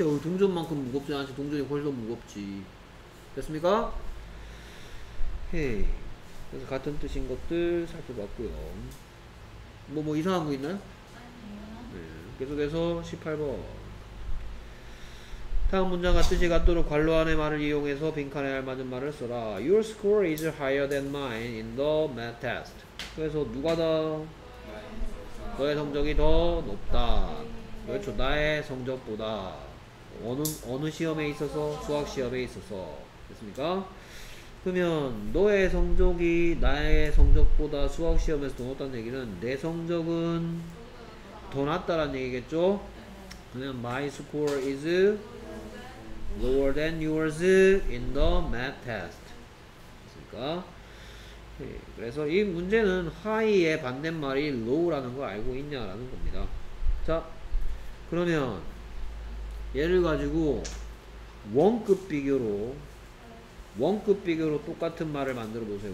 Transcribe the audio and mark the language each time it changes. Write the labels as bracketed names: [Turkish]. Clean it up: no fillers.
[Korean] 동전만큼 무겁진 않지. 동전이 훨씬 더 무겁지. 됐습니까? 오케이. 그래서 같은 뜻인 것들 살펴봤고요. 뭐 이상한 거 있나요? 아니요. 네, 계속해서 18번. 다음 문장과 뜻이 같도록 관로 안의 말을 이용해서 빈칸에 알맞은 말을 써라. [English] Your score is higher than mine in the math test. [Korean] 그래서 누가 더? 너의 성적이 더 높다. 그렇죠. 나의 성적보다. 어느 시험에 있어서? 수학 시험에 있어서. 됐습니까? 그러면 너의 성적이 나의 성적보다 수학시험에서 더 높다는 얘기는 내 성적은 더 낫다라는 얘기겠죠? 그러면 [English] my score is lower than yours in the math test. [Korean] 그러니까 그래서 이 문제는 high의 반대말이 low라는 거 알고 있냐라는 겁니다. 자, 그러면 예를 가지고 원급 비교로 원급 비교로 똑같은 말을 만들어 보세요.